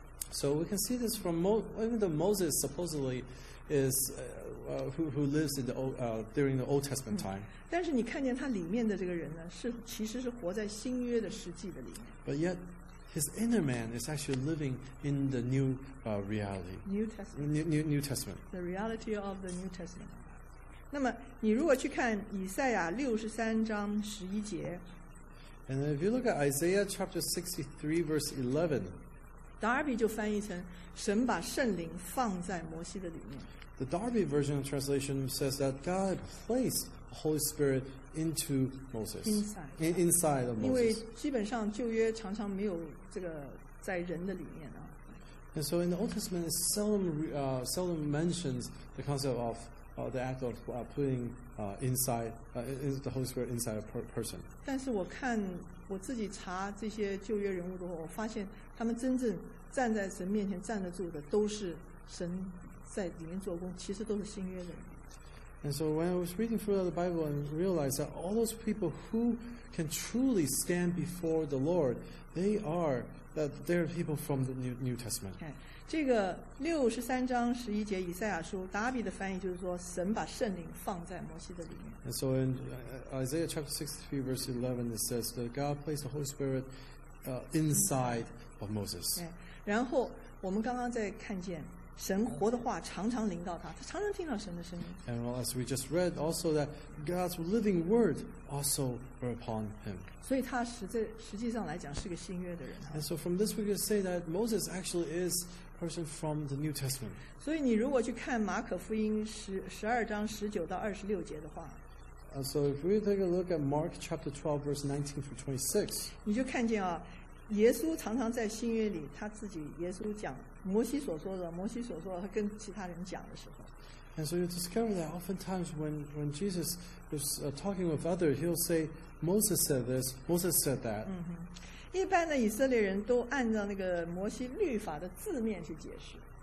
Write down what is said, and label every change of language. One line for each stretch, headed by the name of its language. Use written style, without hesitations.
English: So we can see this from even though Moses supposedly is who lives in the old, during the Old Testament time.
Chinese: 但是你看见他里面的这个人呢，是其实是活在新约的实际的里面。
English: But yet, his inner man is actually living in the new reality. New Testament. The reality of the New Testament.
Chinese: 那么你如果去看以赛亚六十三章十一节。
English: And if you look at Isaiah chapter 63 verse 11.
Chinese: Darby 就翻译成神把圣灵放在摩西的里面。
English: The Darby version of translation says that God placed the Holy Spirit into Moses. Inside of Moses.
Chinese: 因为基本上旧约常常没有这个在人的里面啊。
English: And so in the Old Testament, it seldom mentions the concept of the act of putting the Holy Spirit inside a person.
Chinese: 但是我看我自己查这些旧约人物的话，我发现他们真正站在神面前站得住的都是神。在里面做工，其实都是新约人。
English: And so when I was reading through the Bible and realized that all those people who can truly stand before the Lord, they are people from the New Testament.
Chinese: 这个六十三章十一节以赛亚书达比的翻译就是说，神把圣灵放在摩西的里面。
English: And so in Isaiah chapter 63 verse 11, it says that God placed the Holy Spirit inside of Moses.
Chinese: 然后我们刚刚在看见。神活的话常常临到他，他常常听到神的声音。
English: And well, as we just read, also that God's living word also were upon him.
Chinese: 所以他实际上来讲是个新约的人。
English: And so from this we can say that Moses actually is a person from the New Testament.
Chinese: 所以你如果去看马可福音12:19-26的话。
English: So if we take a look at Mark chapter 12 verse 19 through 26.
Chinese: 你就看见啊。耶稣常常在新约里，他自己耶稣讲摩西所说的，摩西所说的，他跟其他人讲的时候。
English: And so you discover that oftentimes when Jesus is talking with others, he'll say, Moses said this, Moses said that.
Chinese: 嗯哼，一般的以色列人都按照那个摩西律法的字面去解释。